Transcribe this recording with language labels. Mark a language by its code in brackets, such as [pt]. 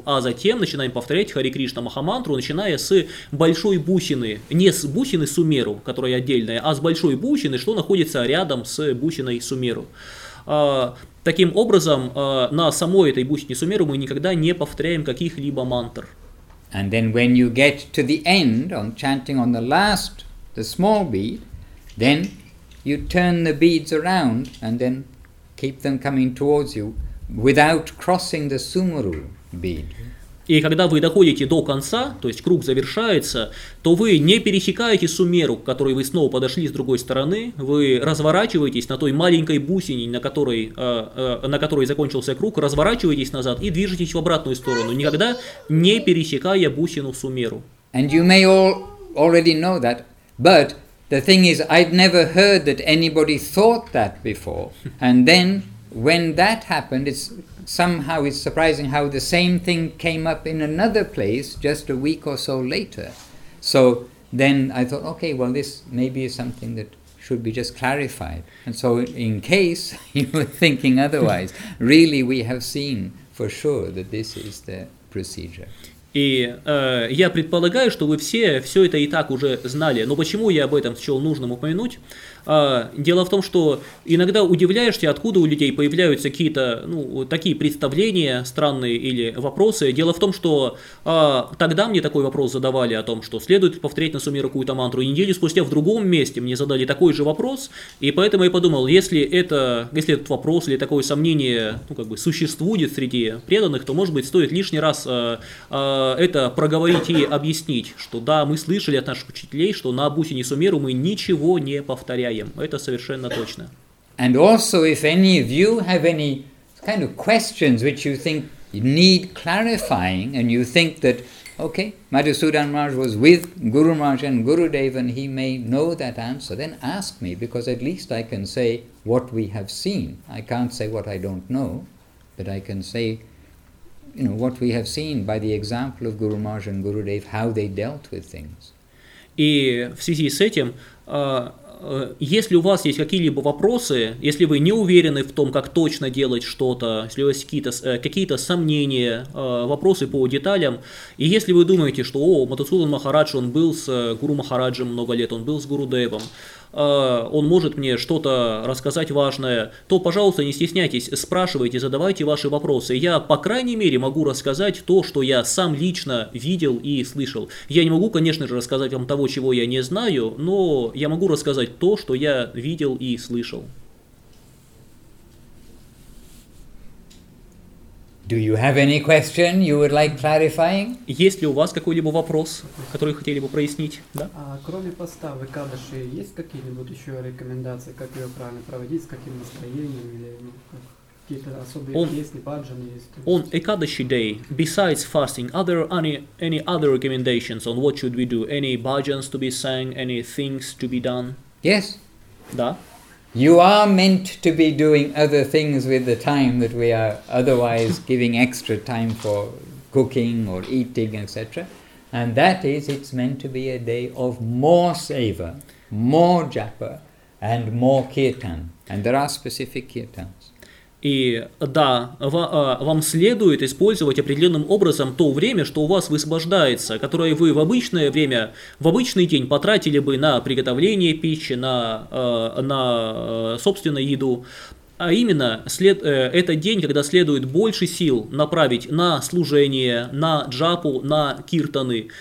[ru] А затем начинаем повторять Хари Кришна маха-мантру, начиная с большой бусины, не с бусины Сумеру, которая отдельная, а с большой бусины, что находится рядом с бусиной Сумеру. Таким образом, на самой этой бусине Сумеру мы никогда не повторяем каких-либо мантр. [en] And then when you get to the end, on chanting on the last, the small bead, then you turn the beads around and then keep them coming towards you without crossing the Sumeru bead. [ru] И когда вы доходите до конца, то есть круг завершается, то вы не пересекаете Сумеру, к которой вы снова подошли с другой стороны, вы разворачиваетесь на той маленькой бусине, на которой закончился круг, разворачиваетесь назад и движетесь в обратную сторону, никогда не пересекая бусину Сумеру. [en] And you may all already know that, but the thing is, I'd never heard that anybody thought that before. And then, when that happened, it's... Somehow it's surprising how the same thing came up in another place just a week or so later. So then I thought, okay, well, this maybe is something that should be just clarified. And so in case you were thinking otherwise, really we have seen for sure that this is the procedure. [ru] И я предполагаю, что вы все это и так уже знали. Но почему я об этом счел нужным упомянуть? Дело в том, что иногда удивляешься, откуда у людей появляются какие-то такие представления странные или вопросы. Дело в том, что тогда мне такой вопрос задавали о том, что следует повторять на Сумеру какую-то мантру. И неделю спустя в другом месте мне задали такой же вопрос. И поэтому я подумал, если этот вопрос или такое сомнение существует среди преданных, то, может быть, стоит лишний раз это проговорить и объяснить, что да, мы слышали от наших учителей, что на бусине Сумеру мы ничего не повторяем. Это совершенно точно. [en] And also, if any of you have any kind of questions which you think need clarifying, and you think that, okay, Madhusudan Maharaj was with Guru Maharaj and Gurudev, and he may know that answer, then ask me, because at least I can say what we have seen. I can't say what I don't know, but I can say what we have seen by the example of Guru Maharaj and Gurudev, how they dealt with things. [ru] И в связи с этим, если у вас есть какие-либо вопросы, если вы не уверены в том, как точно делать что-то, если у вас есть какие-то сомнения, вопросы по деталям, и если вы думаете, что Мадхусудан Махарадж, он был с Гуру Махараджем много лет, он был с Гурудевом, он может мне что-то рассказать важное, то, пожалуйста, не стесняйтесь, спрашивайте, задавайте ваши вопросы. Я, по крайней мере, могу рассказать то, что я сам лично видел и слышал. Я не могу, конечно же, рассказать вам того, чего я не знаю, но я могу рассказать то, что я видел и слышал. [en] Do you have any question you would like clarifying? [ru] Есть ли у вас какой-либо вопрос, который хотели бы прояснить? Да? А кроме поста в Экадаши есть какие-нибудь еще рекомендации, как ее правильно проводить, с каким настроением или какие-то особые песни, баджаны есть? [en] On Экадаши day, besides fasting, are there any other recommendations on what should we do? Any bhajans to be sang, any things to be done? Yes. [ru] Да. [en] You are meant to be doing other things with the time that we are otherwise giving extra time for cooking or eating, etc. And that is, it's meant to be a day of more seva, more japa, and more kirtan. And there are specific kirtans. [ru] И да, вам следует использовать определенным образом то время, что у вас высвобождается, которое вы в обычное время, в обычный день потратили бы на приготовление пищи, на собственную еду. А именно, этот день, когда следует больше сил направить на служение, на джапу, на киртаны.